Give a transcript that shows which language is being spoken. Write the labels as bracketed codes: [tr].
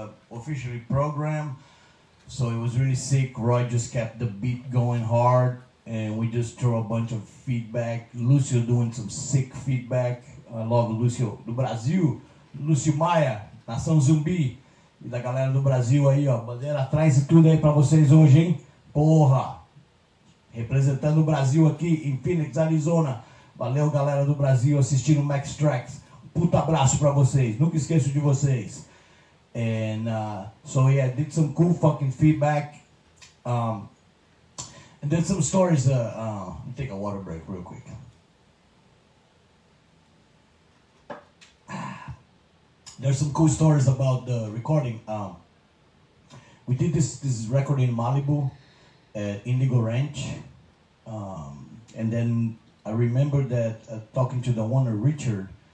[en] Officially programmed, so it was really sick. Roy just kept the beat going hard, and we just threw a bunch of feedback. Lucio doing some sick feedback. I love [pt] Lucio do Brasil, Lucio Maia, Nação Zumbi, e da galera do Brasil aí, ó. Bandeira traz tudo aí pra vocês hoje, hein? Porra! Representando o Brasil aqui em Phoenix, Arizona. Valeu, galera do Brasil, assistindo Max Tracks. Puta abraço pra vocês, nunca esqueço de vocês. [en] And so yeah, did some cool fucking feedback, and then some stories. Let me take a water break real quick. There's some cool stories about the recording. We did this record in Malibu at Indigo Ranch, and then I remember that talking to the owner Richard.